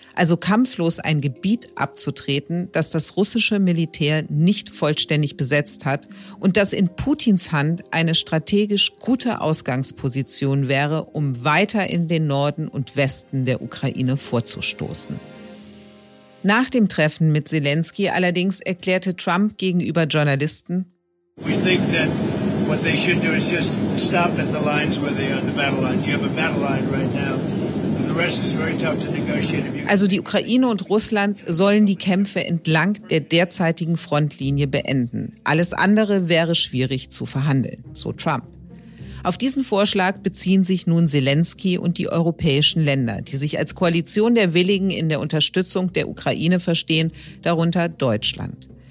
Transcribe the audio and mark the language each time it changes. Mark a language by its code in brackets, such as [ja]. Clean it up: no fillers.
[de] Also kampflos ein Gebiet abzutreten, das das russische Militär nicht vollständig besetzt hat und das in Putins Hand eine strategisch gute Ausgangsposition wäre, um weiter in den Norden und Westen der Ukraine vorzustoßen. Nach dem Treffen mit Selenskyj allerdings erklärte Trump gegenüber Journalisten: [en] "We think that what they should do is just stop at the lines where they are, the battle line. You have a battle line right now. The rest is very tough to negotiate." [de] Also die Ukraine und Russland sollen die Kämpfe entlang der derzeitigen Frontlinie beenden. Alles andere wäre schwierig zu verhandeln, so Trump. Auf diesen Vorschlag beziehen sich nun Selenskyj und die europäischen Länder, die sich als Koalition der Willigen in der Unterstützung der Ukraine verstehen, darunter Deutschland.